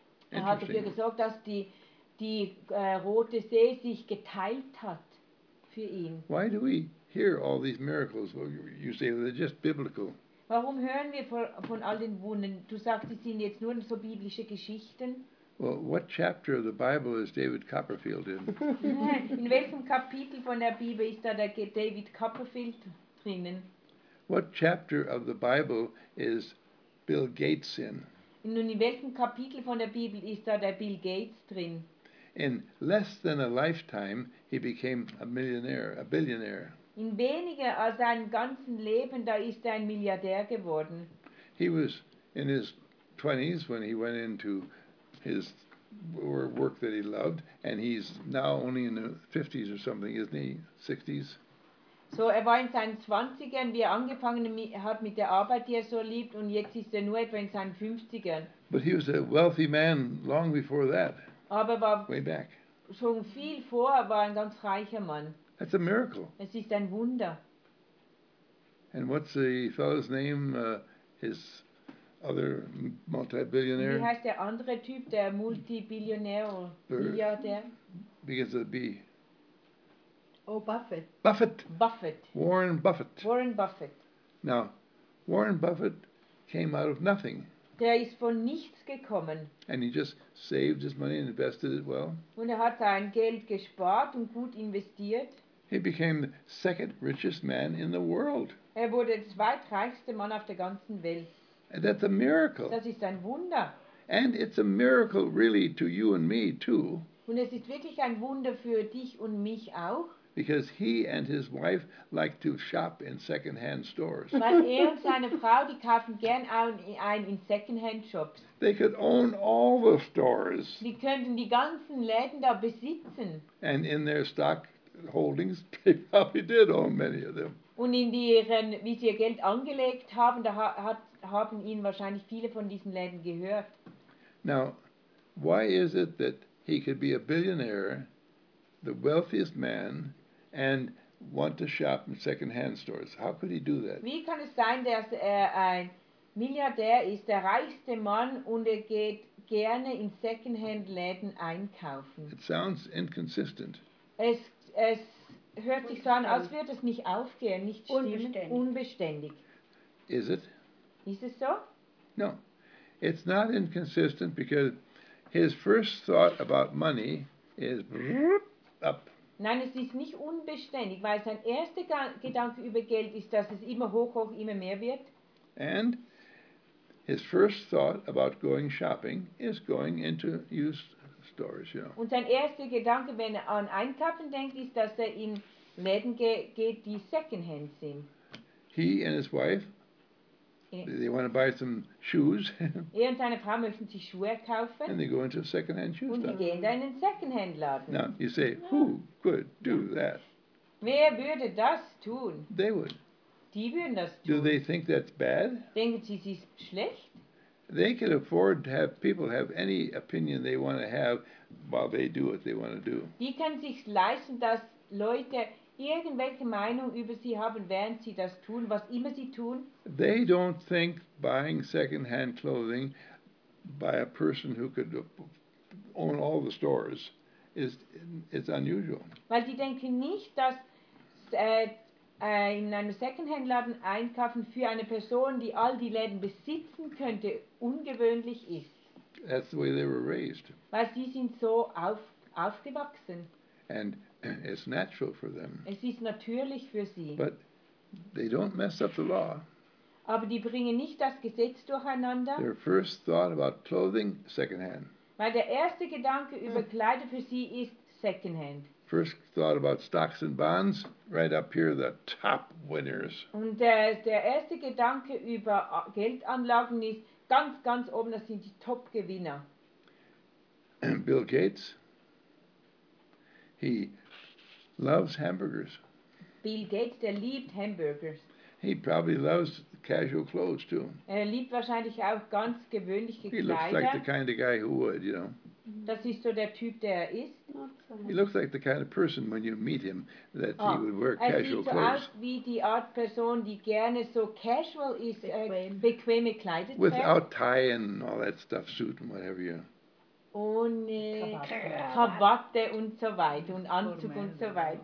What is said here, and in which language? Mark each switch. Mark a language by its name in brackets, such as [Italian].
[German] Er hat dafür gesorgt, dass die Rote See sich geteilt hat für ihn. [English] Why do we hear all these miracles? Well, you say they're just biblical. [German] Warum hören wir von all den Wundern? Du sagst, es sind jetzt nur so biblische Geschichten. [English] Well, what chapter of the Bible is David Copperfield in? [German] In welchem Kapitel von der Bibel ist da der David Copperfield drinnen? [English] What chapter of the Bible is Bill Gates in? [German] Nun, in welchem Kapitel von der Bibel ist da der Bill Gates drin? [English] In less than a lifetime, he became a millionaire, a billionaire. [German] In weniger als seinem ganzen Leben, da ist ein Milliardär geworden. [English] He was in his 20s when he went into his work that he loved, and he's now only in the 50s or something, isn't he? 60s? [German] So er war in seinen 20ern, wie er angefangen hat mit der Arbeit, die er so liebt, und jetzt ist er nur etwa in seinen 50ern. [English] But he was a wealthy man long before that. [German] Aber war [English] way back. [German] Schon viel vorher war ein ganz reicher Mann. [English] That's a miracle. [German] Es ist ein Wunder. [English] And what's the fellow's name, his other multi-billionaire? [German] Wie heißt der andere Typ, der Multi-Billionär oder Milliardär? [English] Begins with a B. Oh, Buffett. Buffett. Buffett. Warren Buffett. Warren Buffett. Now, Warren Buffett came out of nothing. [German] Der ist von nichts gekommen. [English] And he just saved his money and invested it well. [German] Und er hat sein Geld gespart und gut investiert. [English] He became the second richest man in the world. [German] Er wurde der zweitreichste Mann auf der ganzen Welt. [English] And that's a miracle. [German] Das ist ein Wunder. [English] And it's a miracle really to you and me too. [German] Und es ist wirklich ein Wunder für dich und mich auch. [English] Because he and his wife like to shop in second-hand stores. [German] Weil er und seine Frau, die kaufen gern ein in [English] second-hand shops. They could own all the stores. [German] Die könnten die ganzen Läden da besitzen. [English] And in their stock holdings, they probably did own many of them. [German] Und in ihren, wie sie ihr Geld angelegt haben, da haben ihnen wahrscheinlich viele von diesen Läden gehört. [English] Now, why is it that he could be a billionaire, the wealthiest man, and want to shop in second-hand stores? How could he do that? [German] Wie kann es sein, dass er ein Milliardär ist der reichste Mann und er geht gerne in Secondhand-Läden einkaufen. [English] It sounds inconsistent. [German] Es hört sich so an, als würde es nicht aufgehen, nicht stimmen, unbeständig. [English] Is it? [German] Ist es so? [English] No. It's not inconsistent because his first thought about money is up. [German] Nein, es ist nicht unbeständig, weil sein erster Gedanke über Geld ist, dass es immer hoch, hoch, immer mehr wird. [English] And his first thought about going shopping is going into used stores, you know. [German] Und sein erster Gedanke, wenn er an Einkaufen denkt, ist, dass er in Läden geht, die secondhand sind. [English] He and his wife, they want to buy some shoes. [German] Er und seine Frau möchten sich Schuhe kaufen. [English] And they go into a secondhand shoe store. [German] Und sie gehen dann in einen secondhand Laden. [English] Now you say, who could do that? [German] Wer würde das tun? [English] They would. [German] Die würden das tun. [English] Do they think that's bad? [German] Denken sie, es ist schlecht? [English] They can afford to have people have any opinion they want to have while they do what they want to do. [German] Die können sich leisten, dass Leute irgendwelche Meinung über sie haben, während sie das tun, was immer sie tun. [English] They don't think buying second-hand clothing by a person who could own all the stores is unusual. [German] Weil die denken nicht, dass in einem Secondhand-Laden einkaufen für eine Person, die all die Läden besitzen könnte, ungewöhnlich ist. [English] That's the way they were raised. [German] Weil sie sind so aufgewachsen. [English] And it's natural for them. [German] Es ist natürlich für sie. [English] But they don't mess up the law. [German] Aber die bringen nicht das Gesetz durcheinander. [English] Their first thought about clothing, secondhand. [German] Weil der erste Gedanke über Kleider für sie ist secondhand. [English] First thought about stocks and bonds, right up here, the top winners. [German] Und der erste Gedanke über Geldanlagen ist ganz, ganz oben, das sind die Top-Gewinner. [English] Bill Gates, he loves hamburgers. [German] Bill Gates, der liebt Hamburgers. [English] He probably loves casual clothes, too. [German] Er liebt wahrscheinlich auch ganz gewöhnliche Kleider. [English] He looks like the kind of guy who would, you know. [German] Das ist so der Typ, der er ist. [English] He looks like the kind of person when you meet him that he would wear casual clothes. [German] Er sieht so aus wie die Art Person, die gerne so casual ist, bequeme Kleider trägt. [English] Without tie and all that stuff, suit and whatever. [German] Ohne Krawatte und so weiter und Anzug und so weiter.